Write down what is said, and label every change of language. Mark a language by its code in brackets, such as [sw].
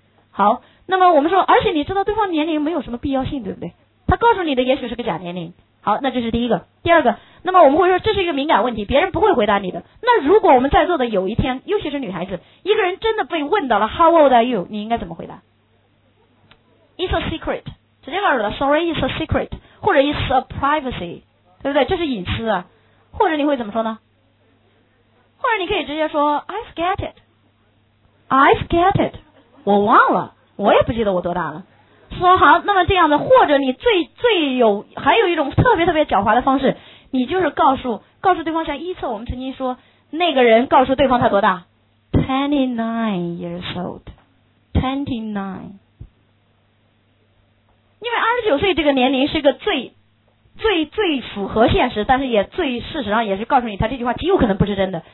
[zh] 好，那么我们说而且你知道对方年龄没有什么必要性，对不对？他告诉你的也许是个假年龄。好，那这是第一个。第二个，那么我们会说这是一个敏感问题，别人不会回答你的。那如果我们在座的有一天，尤其是女孩子，一个人真的被问到了 [en] how old are you， [zh] 你应该怎么回答？ [en] It's a secret， [zh] 直接告诉他 [en] sorry it's a secret， [zh] 或者 [en] it's a privacy， [zh] 对不对？这是隐私啊。或者你会怎么说呢？或者你可以直接说 [en] I forget it， [zh] 我忘了，我也不记得我多大了。说好，那么这样的，或者你最有，还有一种特别特别狡猾的方式，你就是告诉对方，像一次我们曾经说那个人告诉对方他多大， [en] 29 years old， [zh] 29，因为29岁这个年龄是个最符合现实，但是也最事实上也是告诉你他这句话极有可能不是真的。